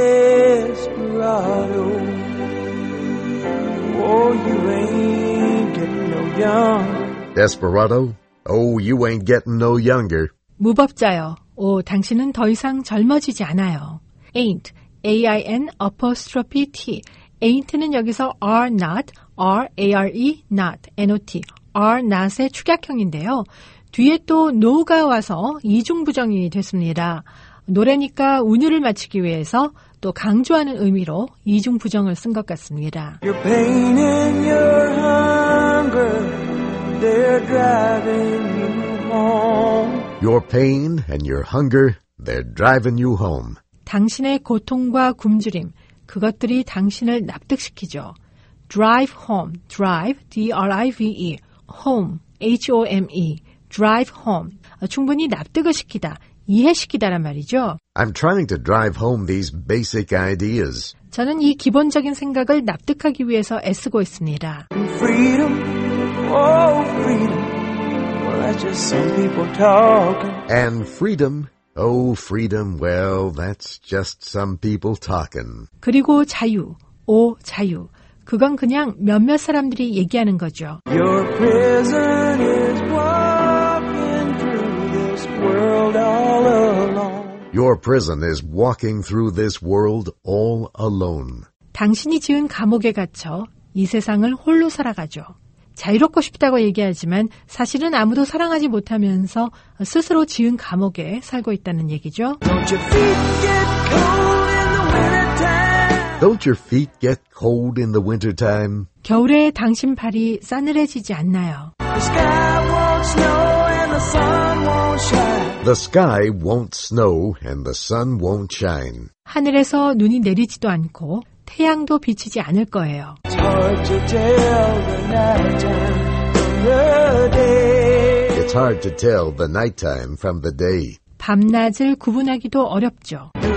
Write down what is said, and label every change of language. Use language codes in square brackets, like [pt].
[en] Desperado, oh you ain't getting no young. Desperado, oh you ain't getting no younger. [ko] 무법자여, 오 당신은 더 이상 젊어지지 않아요. [en] Ain't, A-I-N apostrophe T. [ko] Ain't는 여기서 are not, R-A-R-E not, N-O-T, are not의 축약형인데요. 뒤에 또 no가 와서 이중부정이 됐습니다. 노래니까 운율을 맞추기 위해서 또 강조하는 의미로 이중부정을 쓴 것 같습니다. [en] Your pain and your hunger, they're driving you home. Your pain and your hunger, they're driving you home. [ko] 당신의 고통과 굶주림, 그것들이 당신을 납득시키죠. [en] Drive home, drive, D-R-I-V-E, home, H-O-M-E. Drive home. [ko] 충분히 납득을 시키다, 이해시키다란 말이죠. [en] I'm trying to drive home these basic ideas. [ko] 저는 이 기본적인 생각을 납득하기 위해서 애쓰고 있습니다. [en] Freedom, oh freedom. Well, that's just some people talking. And freedom, oh freedom. Well, that's just some people talking. [ko] 그리고 자유, 오 자유. 그건 그냥 몇몇 사람들이 얘기하는 거죠. [en] Your prison is walking through this world all alone. Your prison is walking through this world all alone. [ko] 당신이 지은 감옥에 갇혀 이 세상을 홀로 살아가죠. 자유롭고 싶다고 얘기하지만 사실은 아무도 사랑하지 못하면서 스스로 지은 감옥에 살고 있다는 얘기죠. [en] Don't your feet get cold in the wintertime? Don't your feet get cold in the wintertime? [ko] 겨울에 당신 발이 싸늘해지지 않나요? [en] The sky won't snow and the sun won't shine. The sky won't snow and the sun won't shine. [ko] 하늘에서 눈이 내리지도 않고 태양도 비치지 않을 거예요. [en] It's hard to tell the nighttime from the day. It's hard to tell the nighttime from the day. [ko] 밤낮을 구분하기도 어렵죠.